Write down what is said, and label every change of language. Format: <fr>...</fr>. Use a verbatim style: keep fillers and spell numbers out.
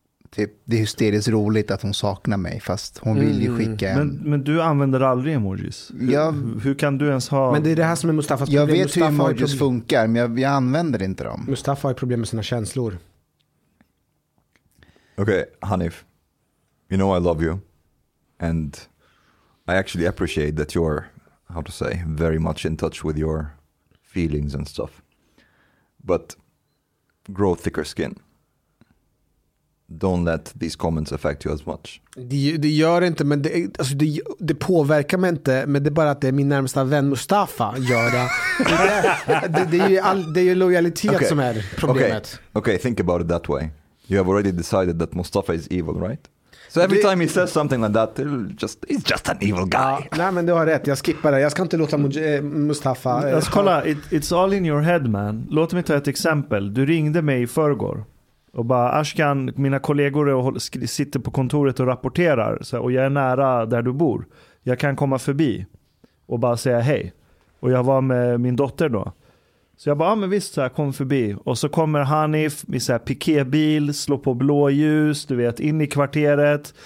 <sv>Typ, det är hysteriskt roligt att hon saknar mig fast hon vill ju skicka en... men, men du använder aldrig emojis. Hur, jag... hur kan du ens ha... Men det är det här som är Mustafas jag problem. Jag vet Mustafa hur emojis funkar, men jag, jag använder inte dem. Mustafa har problem med sina känslor.</sv> <en>Okej, okay, Hanif. You know I love you. And I actually appreciate that you're, how to say, very much in touch with your feelings and stuff. But grow thicker skin. Don't let these comments affect you as much.</en> <sv>Det, det gör inte, men det, alltså det, det påverkar mig inte. Men det är bara att det är min närmsta vän Mustafa gör det. Det, det, det, är, ju all, det är ju lojalitet okay. som är problemet.</sv> <en>Okay. okay, think about it that way. You have already decided that Mustafa is evil, right? So every det, time he says something like that, he'll just, he's just an evil guy.</en> <sv>Ja, nej, men du har rätt. Jag skippar det. Jag ska inte låta Mustafa... Alltså, kolla,</sv> <en>it, it's all in your head, man.</en> <sv>Låt mig ta ett exempel. Du ringde mig i förrgår. Och bara, Ashkan, mina kollegor och håll, sk- sitter på kontoret och rapporterar så här, och jag är nära där du bor. Jag kan komma förbi och bara säga hej. Och jag var med min dotter då. Så jag bara, ja, men visst, så här, kom förbi. Och så kommer Hanif med så här pikébil, slår på blåljus, du vet, in i kvarteret.</sv>